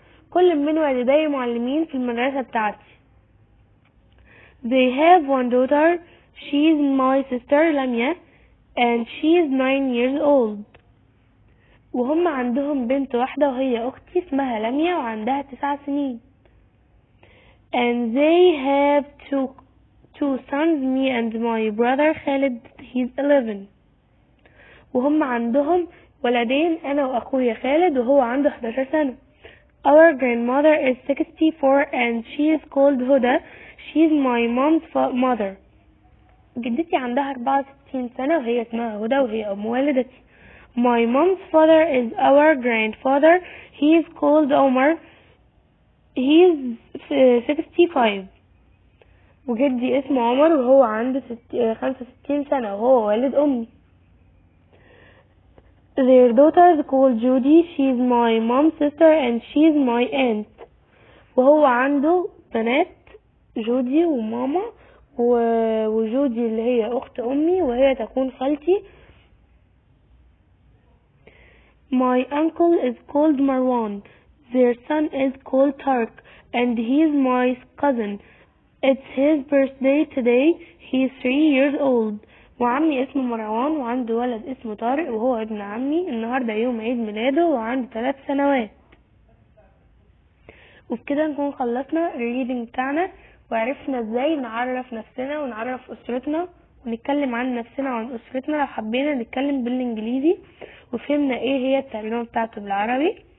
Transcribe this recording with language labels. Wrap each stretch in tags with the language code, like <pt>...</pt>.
<ar>كل من والدي معلمين في المدرسة بتاعتي.</ar> <en>They have one daughter. She's my sister Lamia, and she's 9 years old.</en> <ar>وهم عندهم بنت واحدة وهي أختي اسمها لميا وعندها 9 سنين.</ar> <en>And they have two sons, me and my brother Khaled. He's 11.</en> <ar>وهم عندهم ولدين، أنا وأخويا خالد وهو عنده 11 سنة.</ar> <en>Our grandmother is 64 and she is called Huda. She's my mom's mother.</en> <ar>جدتي عندها 64 سنة وهي اسمها هدى وهي أم والدتي.</ar> <en>My mom's father is our grandfather. He is called Omar. He is 65.</en> <ar>وجدي اسمه عمر وهو عنده 65 سنة وهو والد أمي.</ar> <en>Their daughter is called Judy. She's my mom's sister and she's my aunt.</en> <ar>وهو عنده بنات، جودي وماما، وجودي اللي هي أخت أمي وهي تكون خالتي.</ar> <en>My uncle is called Marwan. Their son is called Tark and he's my cousin. It's his birthday today. He's 3 years old.</en> <ar>وعمي اسمه مروان وعنده ولد اسمه طارق وهو ابن عمي. النهارده يوم عيد ميلاده وعنده 3 سنوات. وبكده نكون خلصنا الريدنج بتاعنا وعرفنا ازاي نعرف نفسنا ونعرف اسرتنا ونتكلم عن نفسنا وعن اسرتنا لو حبينا نتكلم بالانجليزي، وفهمنا ايه هي الترجمه بتاعته بالعربي.</ar>